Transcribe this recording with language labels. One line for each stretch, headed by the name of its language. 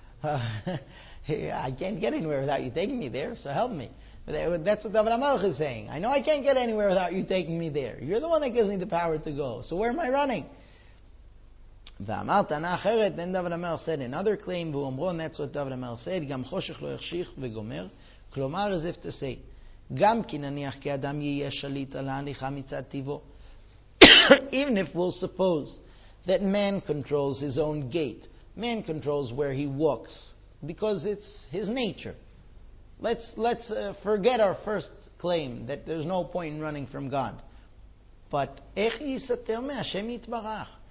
English: I can't get anywhere without you taking me there, so help me. That's what David HaMelech is saying. I know I can't get anywhere without you taking me there. You're the one that gives me the power to go. So where am I running? Then David HaMelech said another claim. And that's what David HaMelech said.
Hebrew: Gam choshech lo yachshich v'gomer. Klomar,
English: as if to say,
Hebrew: גם כי נניח כי אדם יהיה שליט על ההליכה מצד טיבו.
English: Even if we'll suppose that man controls his own gait, man controls where he walks, because it's his nature. Let's forget our first claim that there's no point in running from God.
Hebrew: But איך יסתר מהשם יתברך?